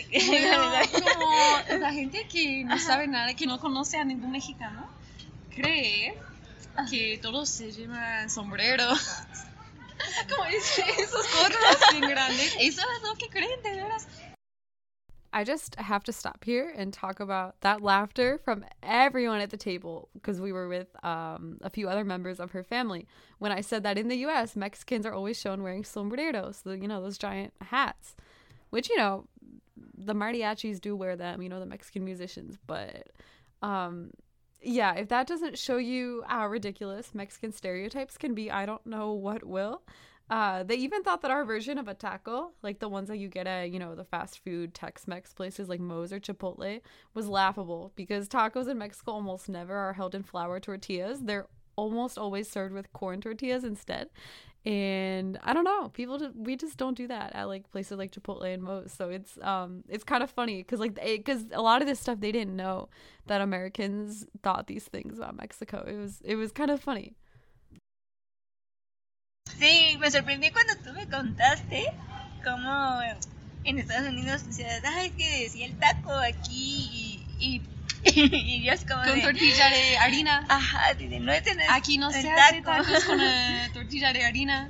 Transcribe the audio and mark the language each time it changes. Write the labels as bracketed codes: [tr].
[es] Como la gente que no sabe nada, que no conoce a ningún mexicano, cree que todos se llevan sombreros. Como esos gorros bien grandes. Eso es lo que creen, de veras. [en] I just have to stop here and talk about that laughter from everyone at the table, because we were with a few other members of her family, when I said that in the US, Mexicans are always shown wearing sombreros, you know, those giant hats, which, you know, the mariachis do wear them, you know, the Mexican musicians, but yeah, if that doesn't show you how ridiculous Mexican stereotypes can be, I don't know what will. They even thought that our version of a taco, like the ones that you get at, you know, the fast food Tex-Mex places like Moe's or Chipotle, was laughable because tacos in Mexico almost never are held in flour tortillas. They're almost always served with corn tortillas instead. And I don't know, people, we just don't do that at like places like Chipotle and Moe's. So it's kind of funny because like, because a lot of this stuff, they didn't know that Americans thought these things about Mexico. It was kind of funny. [es] Sí, me sorprendí cuando tú me contaste cómo en Estados Unidos decías, ay, es que decía el taco aquí y yo es como con tortilla de harina. Ajá, dice, no es tener aquí no se taco. Hace tacos con tortilla de harina.